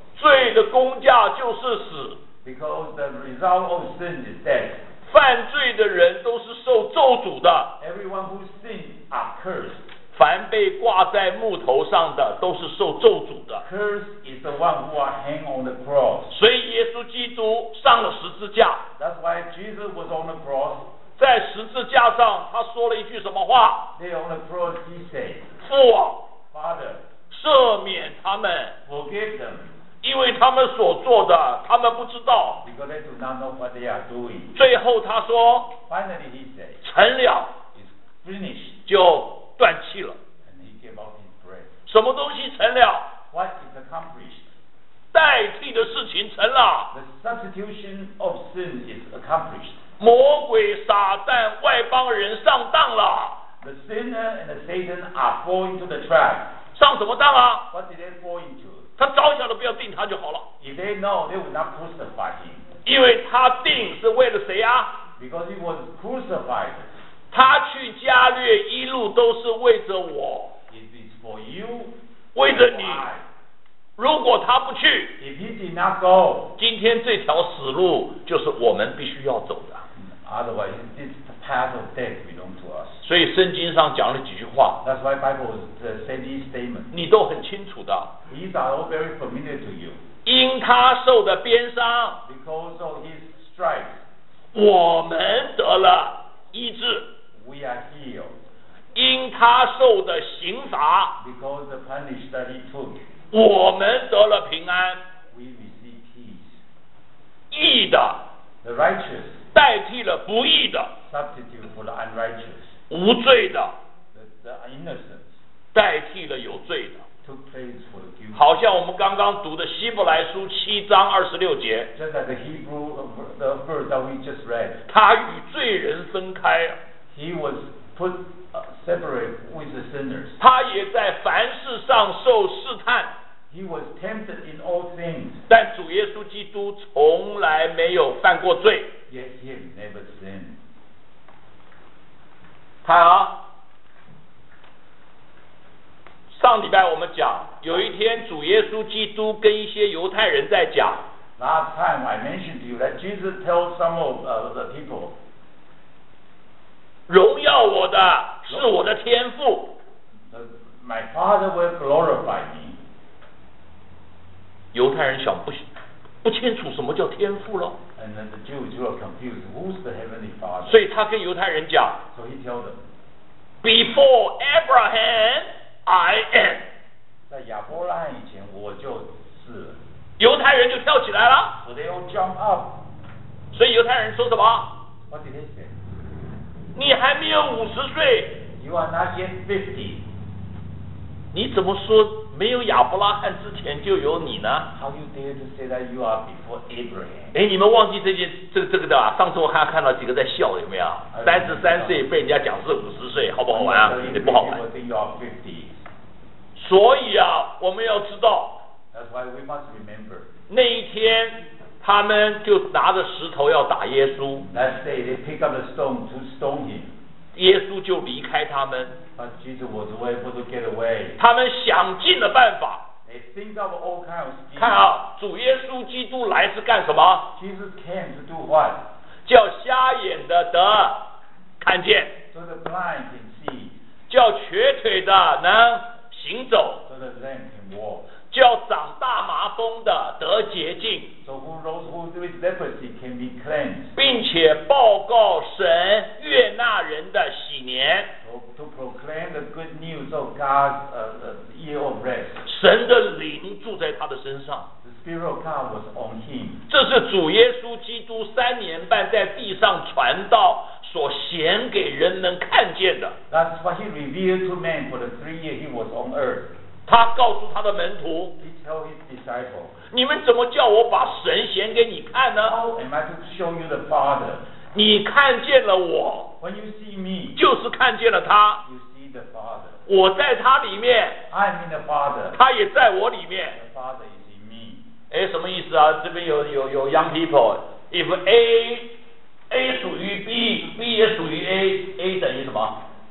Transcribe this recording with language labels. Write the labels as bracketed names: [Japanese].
[Chinese] 罪的工价就是死。 [English] Because the result of sin is death. [Chinese] 犯罪的人都是受咒诅的。 [English] Everyone who sins are cursed. [Chinese] 凡被挂在木头上的都是受咒诅的。 [English] Cursed is the one who are hanged on the cross. [Chinese] 所以耶稣基督上了十字架。 [English] That's why Jesus was on the cross. [Chinese] 在十字架上，他说了一句什么话 [English] ？There on the cross he said, [Chinese] 父啊 [English] ，Father, [Chinese] 赦免他们 [English] ，Forgive them, [Chinese] 因为他们所做的，他们不知道。 [English] Because they do not know what they are doing. [Chinese] 最后他说 [English] ，Finally he said, [Chinese] 成了 [English] ，is finished, [Chinese] 就断气了。 [English] And he gave up his breath. [Chinese] 什么东西成了 [English] ？What is accomplished? [Chinese] 代替的事情成了 [English] The substitution of sin is accomplished [Chinese] 魔鬼撒旦外邦人上当了。 [English] The sinner and the Satan are falling into the trap. [Chinese] 上什么当啊？ [English] What did they fall into? [Chinese] 他早晓得不要定他就好了。 [English] If they know, they would not crucify him. [Chinese] 因为他定是为了谁啊？ [English] Because he was crucified. [Chinese] 他去加略一路都是为着我。 [English] It is for you. [Chinese] 为着你。如果他不去， [English] If he did not go, [Chinese] 今天这条死路就是我们必须要走的。 [English] Otherwise, this path of death belongs to us. [Chinese] 所以圣经上讲了几句话。 [English] That's why Bible said this statement. [Chinese] 你都很清楚的。 [English] These are all very familiar to you. [Chinese] 因他受的鞭伤， [English] because of his stripes, [Chinese] 我们得了医治。 [English] We are healed. [Chinese] 因他受的刑罚， [English] because the punishment that he took. [Chinese] 我们得了平安。 [English] We receive peace. [Chinese] 义的 [English] the righteous, [Chinese] 代替了不义的 [English] substitute for the unrighteous, [Chinese] 无罪的 [English] the innocent, [Chinese] 代替了有罪的 [English] took place for the guilty. [Chinese] 好像我们刚刚读的希伯来书七章二十六节 [English] just like the Hebrew the verse that we just read, [Chinese] 他与罪人分开 [English] he was putseparate with the sinners. [Chinese] 他也在凡事上受试探。 [English] He was tempted in all things. [Chinese] 但主耶稣基督从来没有犯过罪。 [English] Yet he had never sinned. [Chinese] 看啊，上礼拜我们讲，有一天主耶稣基督跟一些犹太人在讲。 [English] Last time I mentioned to you that Jesus told some of the people. [Chinese] 荣耀我的是我的天父。 [English] My father will glorify me. [Chinese] 犹太人想不清楚什么叫天父了。 [English] And then the Jews were confused. Who's the heavenly father? [Chinese] 所以他跟犹太人讲。 [English] So he told them. Before Abraham, I am. [Chinese] 在亚伯拉罕以前我就是。犹太人就跳起来了。 [English] So they all jump up. [Chinese] 所以犹太人说什么？ [English] What did he say? [Chinese] 你还没有五十岁 [English] You are not yet 50. [Chinese] 你怎么说没有亚伯拉罕之前就有你呢 [English] How you dare to say that you are before Abraham [Chinese] 哎，你们忘记这个的吧、啊、上次我还看到几个在笑有没有三十三岁被人家讲是五十岁好不好玩啊也不好玩 [English] you are 50. [Chinese] 所以啊我们要知道 [English] That's why we must remember. [Chinese] 那一天他们就拿着石头要打耶稣。 [English] Next day they pick up the stone to stone him. [Chinese] 耶稣就离开他们。 [English] But Jesus was able to get away. [Chinese] 他们想尽了办法。 [English] They think of all kinds of schemes. [Chinese] 看啊，主耶稣基督来是干什么 [English] ？Jesus came to do what? [Chinese] 叫瞎眼的得看见。 [English] So the blind can see. [Chinese] 叫瘸腿的能行走。 [English] So the lame can walk. [Chinese] 叫长大麻风的得洁净 [English] so who with leprosy can be cleansed, [Chinese] 并且报告神悦纳人的喜年 [English] so, to proclaim the good news of God's year of rest [Chinese] 神的灵住在他的身上 [English] the spirit of God was on him [Chinese] 这是主耶稣基督三年半在地上传道所显给人们看见的 [English] that's what he revealed to men for the 3 years he was on earth [Chinese] 他告诉他的门徒 [English] He tell his disciple, [Chinese] 你们怎么叫我把神显给你看呢 [English] How am I to show you the Father? [Chinese] 你看见了我 [English] When you see me, [Chinese] 就是看见了他 [English] you see the Father, [Chinese] 我在他里面 [English] I'm in the Father, [Chinese] 他也在我里面 [English] the Father is in me. [Chinese] 诶什么意思啊这边 有 [English] young people If A [Chinese] 属于 B B 也属于 A 等于什么